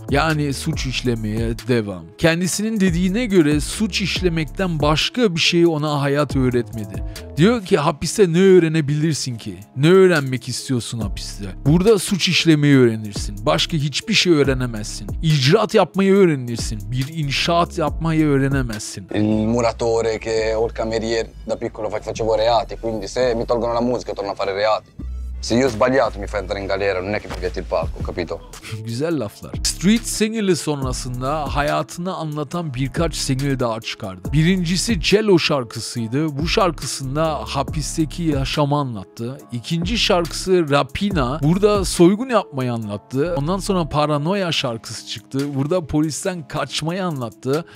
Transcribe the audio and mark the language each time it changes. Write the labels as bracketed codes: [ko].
[tr] Yani suç işlemeye devam. Kendisinin dediğine göre suç işlemekten başka bir şey ona hayat öğretmedi. Diyor ki hapiste ne öğrenebilirsin ki? Ne öğrenmek istiyorsun hapiste? Burada suç işlemeyi öğrenirsin. Başka hiçbir şey öğrenemezsin. İcraat yapmayı öğrenirsin. Bir inşaat yapmayı öğrenemezsin. [it] Il muratore che o il cameriere da piccolo facevo reati, quindi se mi tolgono la musica torno a fare reati. Se io ho sbagliato mi fai andare in galera, non è che mi vieti il palco, capito? [tr] Güzel laflar. Street single'i sonrasında hayatını anlatan birkaç single daha çıkardı. Birincisi Cello şarkısıydı. Bu şarkısında hapisteki yaşamı anlattı. İkinci şarkısı Rapina. Burada soygun yapmayı anlattı. Ondan sonra Paranoia şarkısı çıktı. Burada polisten kaçmayı anlattı.